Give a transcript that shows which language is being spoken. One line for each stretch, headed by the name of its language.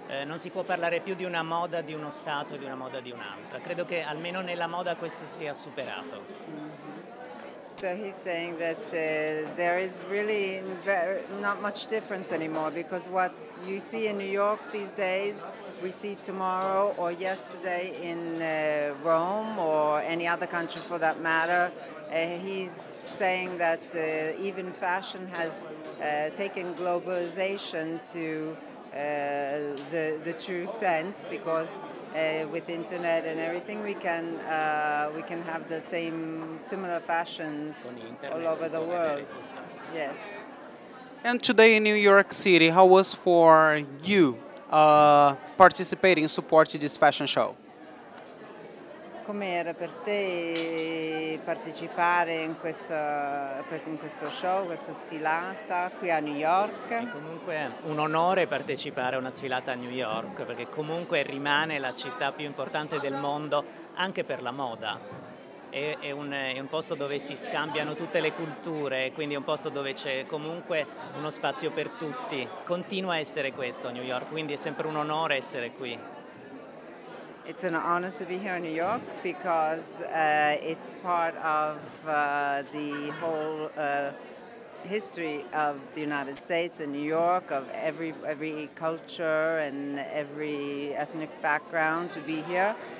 Italian: Non si può parlare più di una moda di uno stato e di una moda di un'altra. Credo che almeno nella moda questo sia superato.
English: So he's saying that there is really not much difference anymore, because what you see in New York these days, we see tomorrow or yesterday in Rome or any other country for that matter. He's saying that even fashion has taken globalization to the true sense, because with internet and everything, we can have the same similar fashions all over the world. Yes. And today in New York City, how was for you participating, supporting this fashion show?
Italian: Come era per te partecipare in questo show, questa sfilata qui a New York? È comunque un onore partecipare a una sfilata a New York, perché comunque rimane la città più importante del mondo anche per la moda. È un posto dove si scambiano tutte le culture, quindi è un posto dove c'è comunque uno spazio per tutti. Continua a essere questo New York, quindi è sempre un onore essere qui.
English: It's an honor to be here in New York, because it's part of the whole history of the United States and New York, of every culture and every ethnic background to be here.